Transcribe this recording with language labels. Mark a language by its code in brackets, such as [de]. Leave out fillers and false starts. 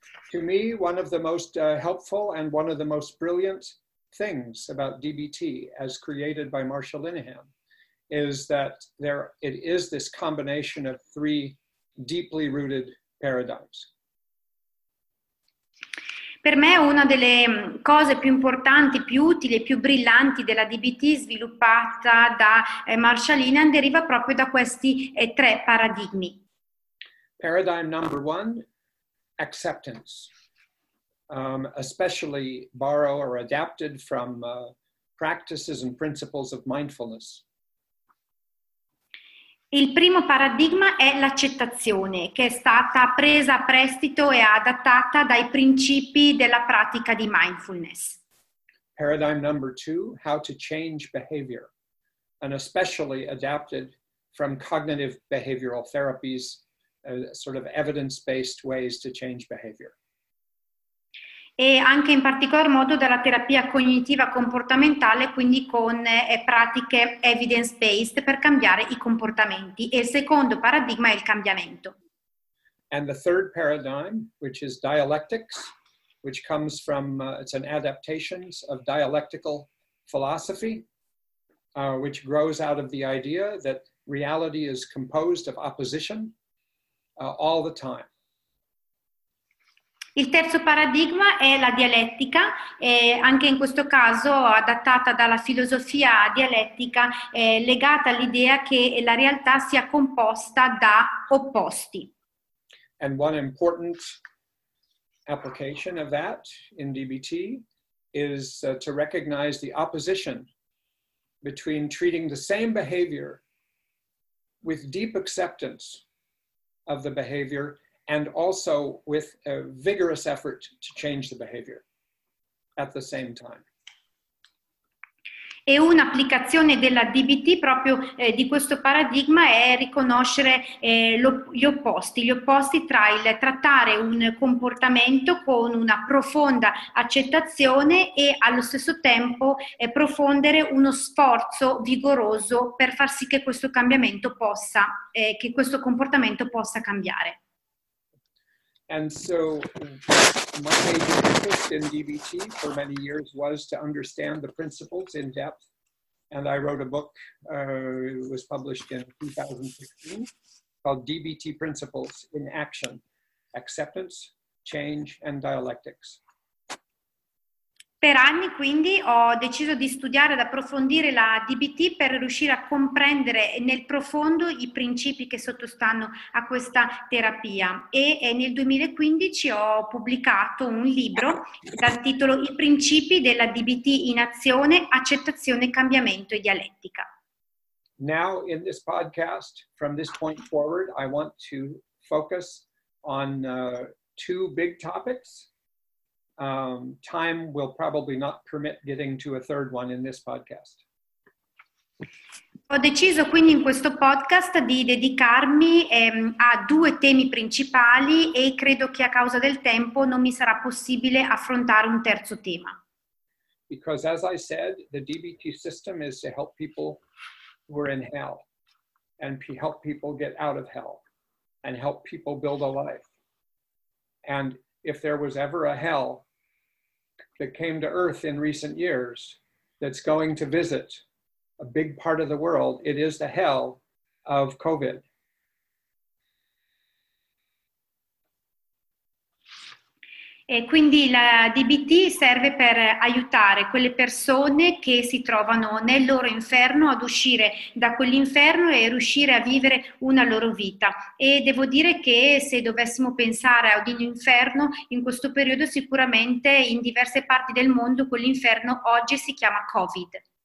[en] To me, one of the most helpful and one of the most brilliant things about DBT as created by Marsha Linehan is that it is this combination of three deeply rooted paradigms. [it] Per me una delle cose più importanti, più utili e più brillanti della DBT sviluppata da Marsha Linehan deriva proprio da questi tre paradigmi. [en] Paradigm number one, acceptance. Especially borrow or adapted from practices and principles of mindfulness. [it] Il primo paradigma è l'accettazione, che è stata presa a prestito e adattata dai principi della pratica di mindfulness. [en] Paradigm number two, how to change behavior, and especially adapted from cognitive behavioral therapies, sort of evidence-based ways to change behavior. [it] E anche in particolar modo dalla terapia cognitiva comportamentale, quindi con pratiche evidence-based per cambiare i comportamenti. E il secondo paradigma è il cambiamento. [en] And the third paradigm, which is dialectics, which comes from, it's an adaptations of dialectical philosophy, which grows out of the idea that reality is composed of opposition all the time. [it] Il terzo paradigma è la dialettica, anche in questo caso adattata dalla filosofia dialettica, legata all'idea che la realtà sia composta da opposti. [en] And one important application of that in DBT is to recognize the opposition between treating the same behavior with deep acceptance of the behavior and also with a vigorous effort to change the behavior at the same time. [it] E un'applicazione della DBT proprio di questo paradigma è riconoscere gli opposti tra il trattare un comportamento con una profonda accettazione e allo stesso tempo profondere uno sforzo vigoroso per far sì che questo cambiamento possa che questo comportamento possa cambiare. [en] And so my major interest in DBT for many years was to understand the principles in depth. And I wrote a book, it was published in 2016, called DBT Principles in Action, Acceptance, Change and Dialectics. [it] Per anni, quindi, ho deciso di studiare ed approfondire la DBT per riuscire a comprendere nel profondo i principi che sottostanno a questa terapia. E nel 2015 ho pubblicato un libro dal titolo I principi della DBT in azione, accettazione, cambiamento e dialettica. [en] Now, in this podcast, from this point forward, I want to focus on two big topics. Time will probably not permit getting to a third one in this podcast. [it] Ho deciso quindi in questo podcast di dedicarmi a due temi principali e credo che a causa del tempo non mi sarà possibile affrontare un terzo tema. [en] Because as I said, the DBT system is to help people who are in hell and help people get out of hell and help people build a life. And if there was ever a hell that came to Earth in recent years that's going to visit a big part of the world, it is the hell of COVID. [it] E quindi la DBT serve per aiutare quelle persone che si trovano nel loro inferno ad uscire da quell'inferno e riuscire a vivere una loro vita. E devo dire che se dovessimo pensare ad un inferno in questo periodo, sicuramente in diverse parti del mondo quell'inferno oggi si chiama COVID.